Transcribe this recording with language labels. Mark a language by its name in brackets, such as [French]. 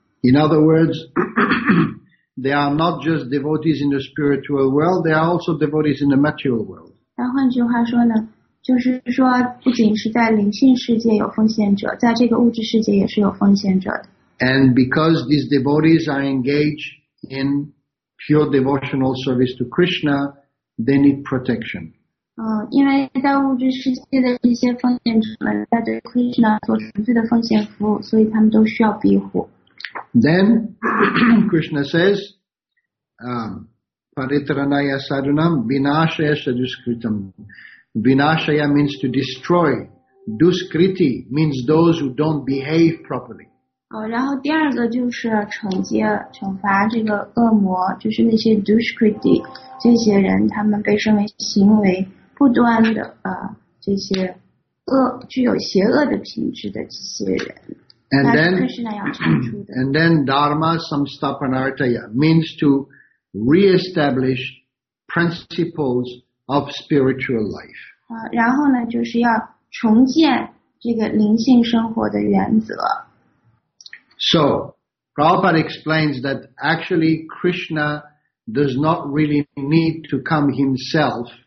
[English] In other words, they are not just devotees in the spiritual world, they are also devotees in the material world. [Chinese] 但换句话说呢，就是说不仅是在灵性世界有奉献者，在这个物质世界也是有奉献者的。 [English] And because these devotees are engaged in pure devotional service to Krishna, they need protection. [Chinese] 因为在物质世界的一些奉献者们在对 Krishna 做纯粹的奉献服务，所以他们都需要庇护。 [English] Then Krishna says, [Sanskrit] "Paritranaya sadunam vinashaya duskritam." [English] Vinashaya means to destroy. Duskriti means those who don't behave properly. [Chinese] 然后第二个就是惩罚这个恶魔，就是那些 duskriti 这些人，他们被称为行为不端的、这些恶具有邪恶的品质的这些人。 [English] And then [Sanskrit] dharma samstapanartaya [English] means to reestablish principles of spiritual life. [Chinese] 然后呢就是要重建这个灵性生活的原则。 [English] So Prabhupada explains that actually Krishna does not really need to come himself.